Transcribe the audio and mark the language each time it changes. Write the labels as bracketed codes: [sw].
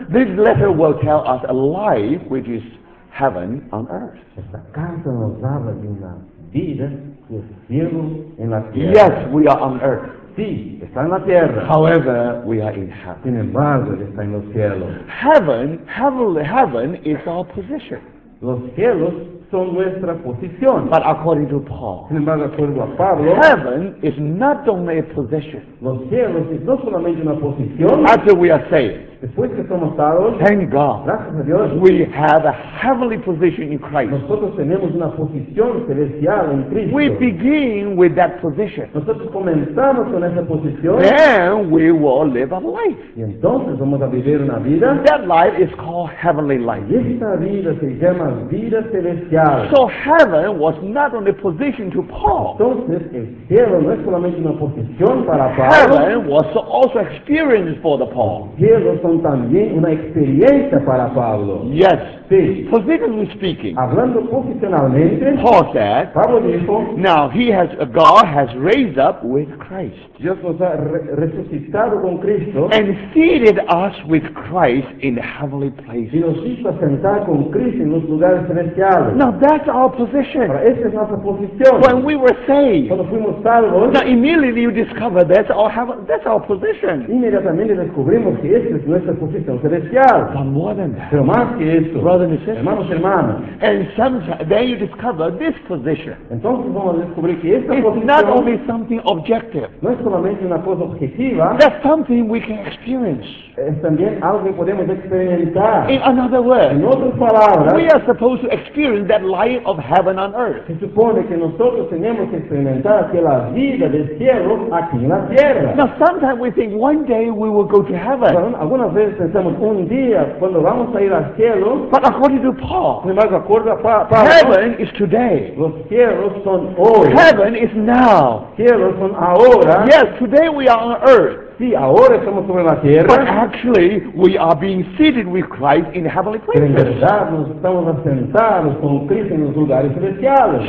[en] This letter will tell us a life which is heaven on earth. [es] Esta carta nos habla de una vida que es cielo en la tierra. [en] Yes, we are on earth. [es] Sí, está en la tierra. [en] However, we are in heaven. [es] Sin embargo, está en los cielos. [en] Heaven is our position. [es] Los cielos son nuestra posición. [en] But according to Paul, [es] sin embargo, acuerdo a Pablo, [en] heaven is not only a position. [es] Los cielos es no solamente una posición. [en] After we are saved, [es] después que somos salvos, [en] thank God, [es] gracias a Dios, [en] we have a heavenly position in Christ. [es] Nosotros tenemos una posición celestial en Cristo. [en] We begin with that position. [es] Nosotros comenzamos con esa posición. [en] Then we will live a life. [es] Y entonces vamos a vivir una vida. [en] That life is called heavenly life. [es] Y esta vida se llama vida celestial. [en] So heaven was not only a position to Paul. [es] Entonces el cielo no es solamente una posición para Pablo. [en] Heaven was also experience for the Paul. [es] Son también una experiencia para Pablo. [en] Yes. [es] Sí. [en] Positively speaking, [es] hablando posicionalmente, [en] Paul said, [es] Pablo dijo, [en] now he has, God has raised up with Christ. [es] Dios nos ha resucitado con Cristo. [en] And seated us with Christ in the heavenly places. [es] Y nos hizo sentar con Cristo en los lugares celestiales. [en] No, Now that's our position. [es] Ahora, esa es nuestra posición. [en] When we were saved. [es] Cuando fuimos salvos. [en] Now immediately you discover that that's our position. [es] Inmediatamente descubrimos que esa es nuestra posición celestial. [en] But more than that. [es] Pero más que eso. [en] Brothers and sisters. [es] Hermanos y hermanas. [en] And then you discover this position. [es] Entonces vamos a descubrir que esta [en] it's [es] posición. [en] Not only something objective. [es] No es solamente una cosa objetiva. [en] That's something we can experience. [es] Es también algo que podemos experimentar. [en] In another word, [es] en otras palabras, [en] we are supposed to experience that light of heaven on earth. [es] Se supone que nosotros tenemos que experimentar que la vida del cielo aquí en la tierra. [en] Now sometimes we think one day we will go to heaven. [es] Algunas veces pensamos un día cuando vamos a ir al cielo. [en] But according to Paul, heaven is today. [es] Los cielos son hoy. [en] Heaven is now. [es] Cielos son ahora. [en] Yes, today we are on earth. [es] Sí, ahora estamos sobre la tierra. [en] But actually, we are being seated with Christ in heavenly places. [es] En verdad, nos estamos sentados con Cristo en los lugares celestiales.